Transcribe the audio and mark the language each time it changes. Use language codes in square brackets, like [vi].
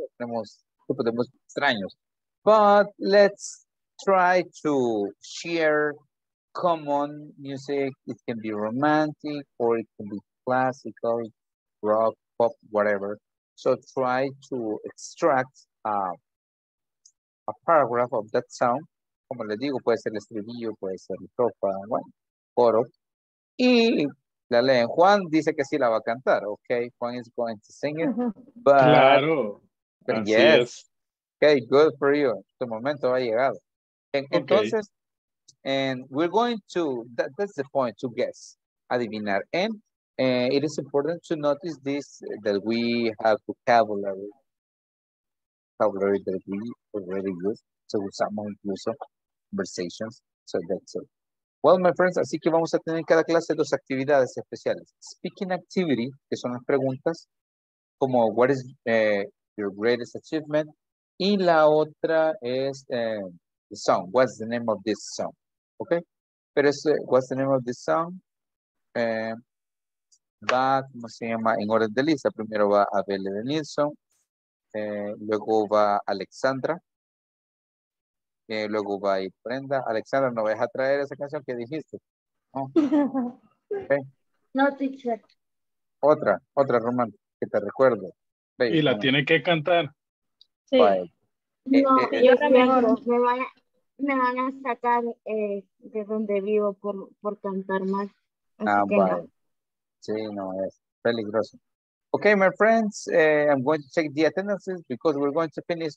[es] Tenemos tipos de música extraños. [en] But let's try to share common music. It can be romantic or it can be classical, rock, pop, whatever. So try to extract a paragraph of that song. [es] Como les digo, puede ser el estribillo, puede ser el tropa, bueno, coro. Y la leen. Juan dice que sí la va a cantar. [en] Ok, Juan is going to sing it. But, [es] claro. [en] But yes. Es. Ok, good for you. [es] Tu momento ha llegado. [en] And, okay. Entonces, and we're going to, that's the point, to guess, adivinar. And it is important to notice this, that we have vocabulary that we already use. So [es] usamos incluso [en] conversations, so that's all. Well, my friends, [es] así que vamos a tener en cada clase dos actividades especiales. [en] Speaking activity, [es] que son las preguntas, como [en] what is your greatest achievement, [es] y la otra es [en] the song, what's the name of this song, okay? [es] Pero es, [en] what's the name of this song, [es] va, ¿cómo se llama? En orden de lista, primero va Abel Edenilson, luego va Alexandra, luego va a ir Brenda. Alexandra, ¿no vas a traer esa canción que dijiste? No, okay. No, teacher. Otra romántica que te recuerdo. Baby, y la no. Tiene que cantar. Sí. Bye. No, yo también. Me van a sacar de donde vivo por cantar mal. Así ah, vale. No. Sí, no, es peligroso. [en] Okay, my friends, I'm going to check the attendances because we're going to finish.